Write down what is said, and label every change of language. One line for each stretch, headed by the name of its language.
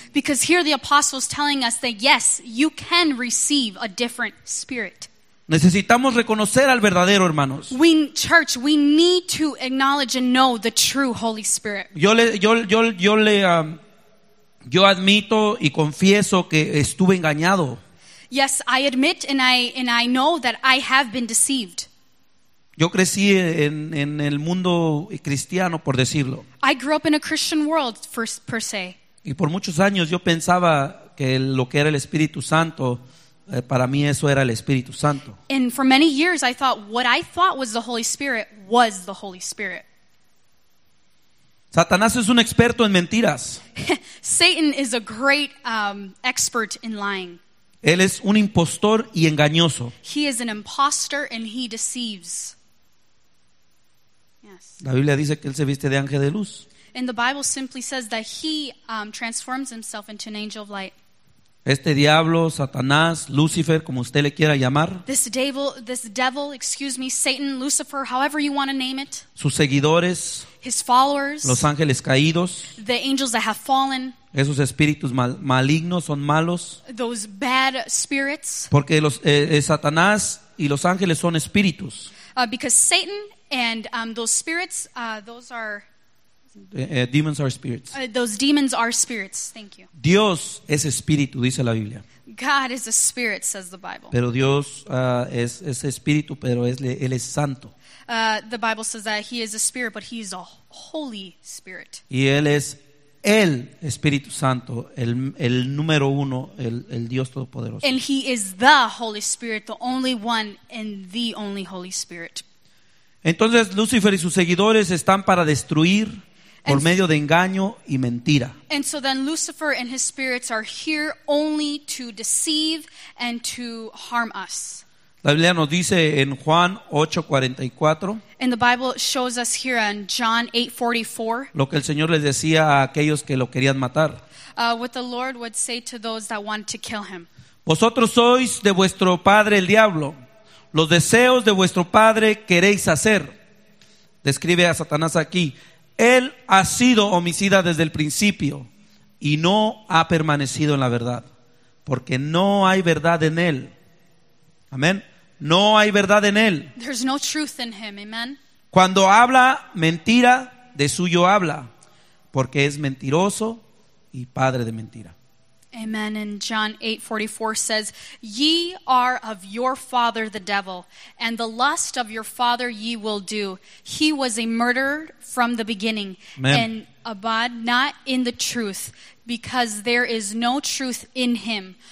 English: Because here the apostle is telling us that yes, you can receive a different spirit.
Spanish: Necesitamos reconocer al verdadero, hermanos.
English: We, church, we need to acknowledge and know the true Holy Spirit.
Spanish: Yo admito y confieso que estuve engañado.
English: Yes, I admit and I know that I have been deceived.
Spanish: Yo crecí en el mundo cristiano, por decirlo.
English: I grew up in a Christian world, per se.
Spanish: Y por muchos años yo pensaba que lo que era el Espíritu Santo, para mí eso era el Espíritu Santo.
English: And for many years I thought what I thought was the Holy Spirit was the Holy Spirit.
Spanish: Satanás es un experto en mentiras.
English: Satan is a great expert in lying.
Spanish: Él es un impostor y engañoso.
English: He is an imposter and he deceives. Yes.
Spanish: La Biblia dice que él se viste de ángel de luz.
English: And the Bible simply says that he transforms himself into an angel of light.
Spanish: Este diablo, Satanás, Lucifer, como usted le quiera llamar.
English: This devil, Satan, Lucifer, however you want to name it.
Spanish: Sus seguidores.
English: His followers.
Spanish: Los ángeles caídos.
English: The angels that have fallen.
Spanish: Esos espíritus malignos son malos.
English: Those bad spirits.
Spanish: Porque Satanás y los ángeles son espíritus.
English: Because Satan and those spirits, those are... Demons are spirits. Those demons are spirits. Thank you.
Spanish: Dios es espíritu, dice la Biblia.
English: God is a spirit, says the Bible.
Spanish: Pero Dios es espíritu, pero él es santo.
English: The Bible says that he is a spirit, but he is a holy spirit.
Spanish: Y él es el Espíritu Santo, el número uno, el Dios todopoderoso.
English: And he is the Holy Spirit, the only one and the only Holy Spirit.
Spanish: Entonces Lucifer y sus seguidores están para destruir. Por medio de engaño y mentira.
English: And so then Lucifer and his spirits are here only to deceive and to harm us.
Spanish: La Biblia nos dice en Juan 8:44.
English: And the Bible shows us here in John 8:44.
Spanish: Lo que el Señor les decía a aquellos que lo querían matar.
English: What the Lord would say to those that want to kill him.
Spanish: Vosotros sois de vuestro padre el diablo. Los deseos de vuestro padre queréis hacer. Describe a Satanás aquí. Él ha sido homicida desde el principio y no ha permanecido en la verdad, porque no hay verdad en él. Amén. No hay verdad en él.
English: There's no truth in him. Amen.
Spanish: Cuando habla mentira, de suyo habla, porque es mentiroso y padre de mentira.
English: Amen. And John 8:44 says, ye are of your father the devil, and the lust of your father ye will do. He was a murderer from the beginning. Amen. And abide not in the truth, because there is no truth in him.